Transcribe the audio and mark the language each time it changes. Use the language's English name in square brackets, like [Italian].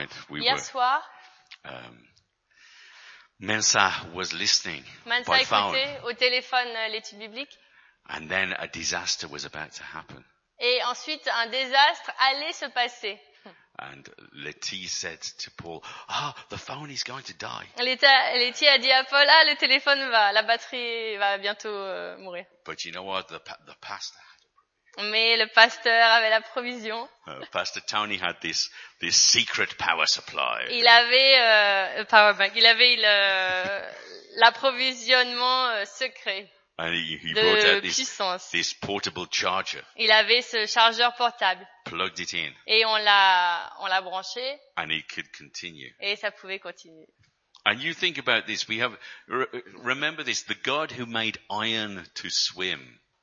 [French] Hier soir, [English] Mensa was listening. [French] Mensa écoutait au téléphone l'étude biblique. [English] And then a disaster was about to happen. [French] Et ensuite un désastre allait se passer. [English] And Letty said to Paul, "Ah, oh, the phone is going to die." [French] Letty a dit à Paul, "Ah, le téléphone va, la batterie va bientôt mourir." [English] But you know what? The pastor. [French] Mais le pasteur avait la provision. [English] Pastor Tony had this secret power supply. [French] Il avait power bank. Il avait l'approvisionnement secret. [English] And he brought out this portable charger. [French] Il avait ce chargeur portable. [English] Plugged it in. [French] Et on l'a branché. [English] And it could continue. [French] Et ça pouvait continuer. [English] And you think about this. We have remember this. The God who made iron to swim.